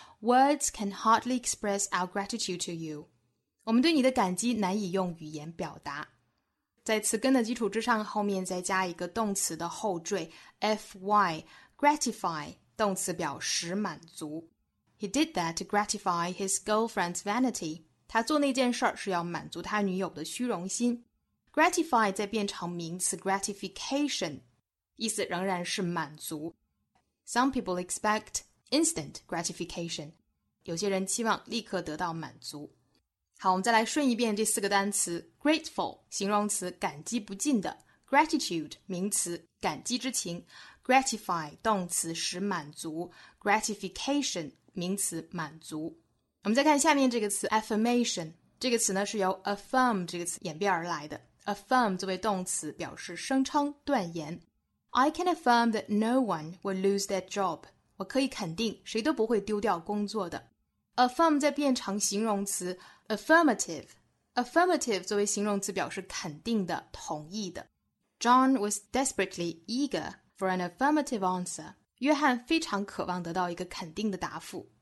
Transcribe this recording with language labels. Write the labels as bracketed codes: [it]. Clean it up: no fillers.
[en] Words can hardly express our gratitude to you， [zh] 我们对你的感激难以用语言表达。在词根的基础之上，后面再加一个动词的后缀 fy， gratify， 动词表示满足。 [en] He did that to gratify his girlfriend's vanity， [zh] 他做那件事是要满足他女友的虚荣心。 gratify 再变成名词 gratification， 意思仍然是满足。 [en] Some people expect instant gratification， [zh] 有些人期望立刻得到满足。好，我们再来顺一遍这四个单词。 Grateful 形容词感激不尽的， Gratitude 名词感激之情， Gratify 动词使满足， Gratification 名词满足。我们再看下面这个词 Affirmation， 这个词呢是由 Affirm 这个词演变而来的。 Affirm 作为动词表示声称断言。 [en] I can affirm that no one will lose their job， [zh] 我可以肯定谁都不会丢掉工作的。 Affirm 再变成形容词Affirmative 作为形容词表示肯定的、同意的。 [en] John was desperately eager for an affirmative answer， [zh] 约翰非常渴望得到一个肯定的答复。